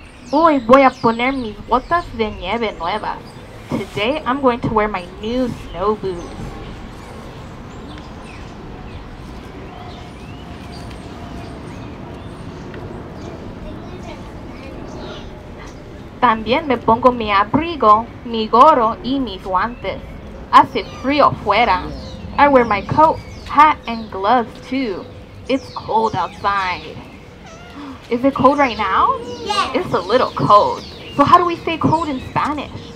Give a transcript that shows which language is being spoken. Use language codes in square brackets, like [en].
[es] Hoy voy a poner mis botas de nieve nuevas. [en] Today I'm going to wear my new snow boots. [es] También me pongo mi abrigo, mi gorro y mis guantes. Hace frío fuera. [en] I wear my coat, hat, and gloves too. It's cold outside. Is it cold right now? Yes. It's a little cold. So how do we say cold in Spanish?